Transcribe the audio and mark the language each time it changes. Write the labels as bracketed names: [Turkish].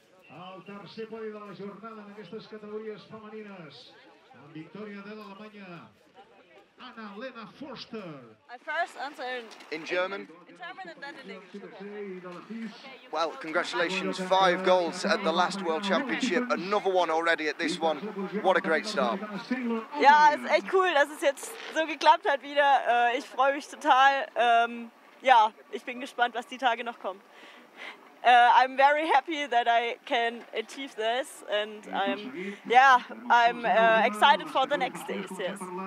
[Catalan] Al tercer podi de la jornada en aquestes categories femenines, amb victòria de l'Alemanya, Annalena Forster. [English] I first answered in German. Okay, well, congratulations, five goals at the last World Championship, another one already at this one. What a great start. [German] Ja, es ist echt cool, dass es jetzt so geklappt hat wieder. Ich freue mich total. Ja, ich bin gespannt, was die Tage noch kommen. [English] I'm very happy that I can achieve this and I'm excited for the next days, yes.